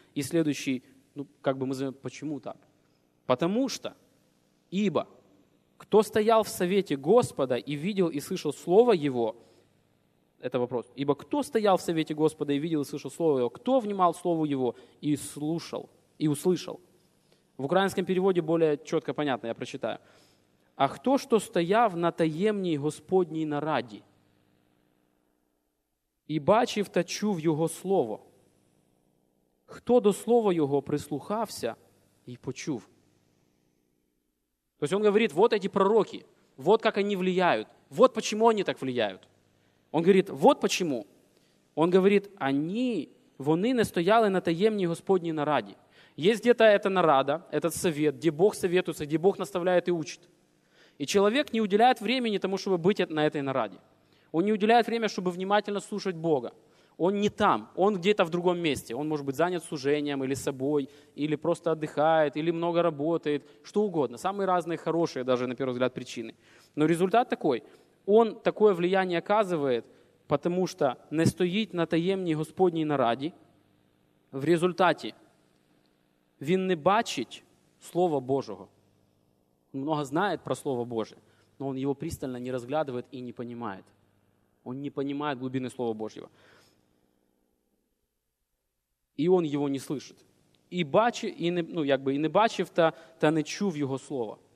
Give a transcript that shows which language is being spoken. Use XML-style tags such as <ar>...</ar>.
<ru>И следующий, мы знаем, почему так? Потому что «ибо кто стоял в совете Господа и видел и слышал слово Его». Это вопрос. Ибо кто стоял в совете Господа и видел и слышал Слово Его? Кто внимал Слову Его и слушал, и услышал? В украинском переводе более четко понятно, я прочитаю.</ru> <uk>А кто, что стояв на таемній Господній нараді и бачив та чув Його Слово? Кто до Слова Його прислухався и почув?</uk> <ru>То есть он говорит, вот эти пророки, вот как они влияют, вот почему они так влияют. Он говорит, вот почему. Он говорит,</ru> <uk>вони не стояли на таємній Господній нараді.</uk> <ru>Есть где-то эта нарада, этот совет, где Бог советуется, где Бог наставляет и учит. И человек не уделяет времени тому, чтобы быть на этой нараде. Он не уделяет время, чтобы внимательно слушать Бога. Он не там, он где-то в другом месте. Он может быть занят служением или собой, или просто отдыхает, или много работает, что угодно. Самые разные хорошие даже, на первый взгляд, причины. Но результат такой – он такое влияние оказывает, потому что не стоит на</ru> <uk>таємній Господній нараді.</uk> <ru>В результате</ru> <uk>він не бачить Слова Божого.</uk> <ru>Он много знает про Слово Божие, но он его пристально не разглядывает и не понимает. Он не понимает глубины Слова Божьего. И он его не слышит. И</ru> <uk>не бачив, та не чув</uk> <ru>его слова.</ru>